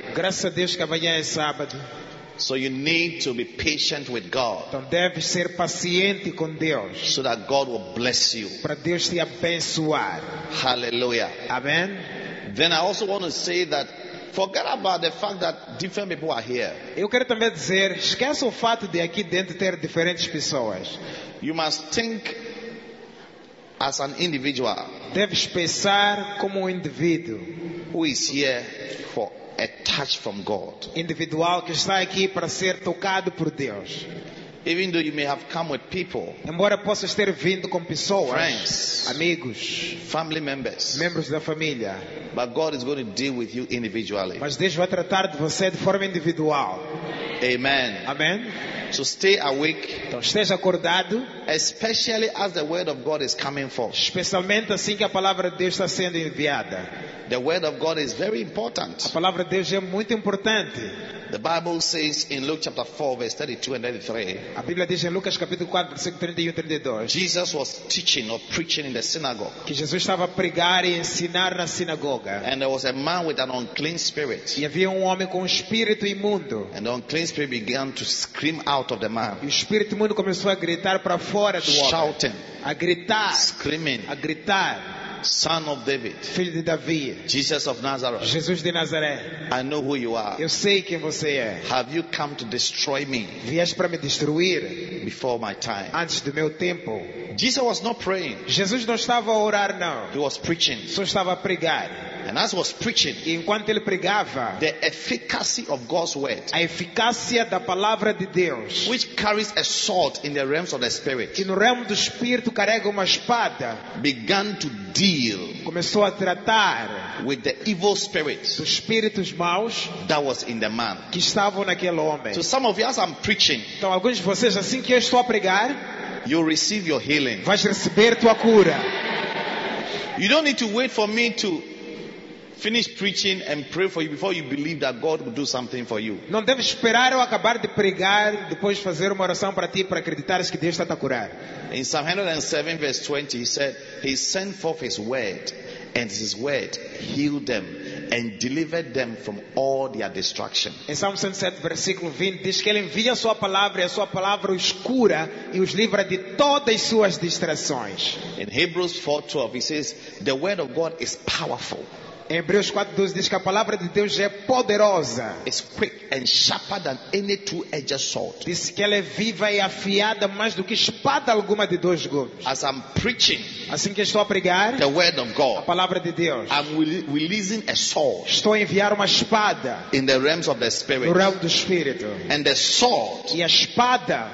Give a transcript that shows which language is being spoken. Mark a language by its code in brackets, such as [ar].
[pt] Graças a Deus que amanhã é sábado. [en] So you need to be patient with God. [pt] Então deve ser paciente com Deus. [en] So that God will bless you. [pt] Para Deus te abençoar. [en] Hallelujah. Amen. Then I also want to say that. Forget about the fact that different people are here. [pt] Eu quero também dizer, esquece o fato de aqui dentro ter diferentes pessoas. [en] You must think as an individual. [pt] Deves pensar como indivíduo. [en] Who is here for a touch from God? [pt] Individual que está aqui para ser tocado por Deus. [en] Even though you may have come with people, [pt] embora possas ter vindo com pessoas, [en] friends, [pt] amigos, [en] family members, [pt] membros da família, [en] but God is going to deal with you individually. [pt] Mas Deus vai tratar de você de forma individual. [en] Amen. Amen. So stay awake. [pt] Então esteja acordado, [en] especially as the word of God is coming forth. [pt] Especialmente assim que a palavra de Deus está sendo enviada. [en] The word of God is very important. [pt] A palavra de Deus é muito importante. [en] The Bible says in Luke chapter 4 verse 32 and 33. [pt] A Bíblia diz em Lucas capítulo 4 versículo 31 e 32. [en] Jesus was teaching or preaching in the synagogue. [pt] Que Jesus estava a pregar e ensinar na sinagoga. [en] And there was a man with an unclean spirit. [pt] E havia homem com espírito imundo. [en] And the unclean spirit began to scream out of the man. [pt] E o espírito imundo começou a gritar para fora do homem. [en] Shouting. [pt] A gritar. [en] Screaming. [pt] A gritar. [en] Son of David, [pt] filho de Davi, [en] Jesus of Nazareth, [pt] Jesus de Nazaré, [en] I know who you are. [pt] Eu sei quem você é. [en] Have you come to destroy me? [pt] Vieste para me destruir? [en] Before my time, [pt] antes do meu tempo. [en] Jesus was not praying. [pt] Jesus não estava a orar não. [en] He was preaching. [pt] Só estava a pregar. [en] And as was preaching, [pt] e enquanto ele pregava, [en] the efficacy of God's word, [pt] a eficácia da palavra de Deus, [en] which carries a sword in the realms of the spirit, [pt] que no reino do espírito carrega uma espada, [en] began to deal, [pt] começou a tratar, [en] with the evil spirits, [pt] dos espíritos maus, [en] that was in the man, [pt] que estavam naquele homem. [en] So some of you, as I'm preaching, [pt] então alguns de vocês assim que eu estou a pregar, [en] you receive your healing, [pt] vais receber tua cura. [en] You don't need to wait for me to finish preaching and pray for you before you believe that God will do something for you. [pt] Não deve esperar eu acabar de pregar depois fazer uma oração para ti para acreditares que Deus está a curar. [en] In Psalm 107 verse 20 he said he sent forth his word and his word healed them and delivered them from all their destruction. [pt] Em Salmo 107 versículo 20 diz que ele envia a sua palavra e a sua palavra os cura e os livra de todas as suas distrações. [en] In Hebrews 4:12 he says the word of God is powerful. [pt] Hebreus 4:12 diz que a palavra de Deus é poderosa. [en] It's quick and sharper than any two-edged sword. [pt] Diz que ela é viva e afiada mais do que espada alguma de dois gumes. [en] As I'm preaching, [pt] assim que estou a pregar, [en] the word of God, [pt] a palavra de Deus, [en] I'm releasing a sword. [pt] Estou a enviar uma espada. [en] In the realms of the spirit, [pt] no reino do espírito, [en] and the sword, [pt] e a espada,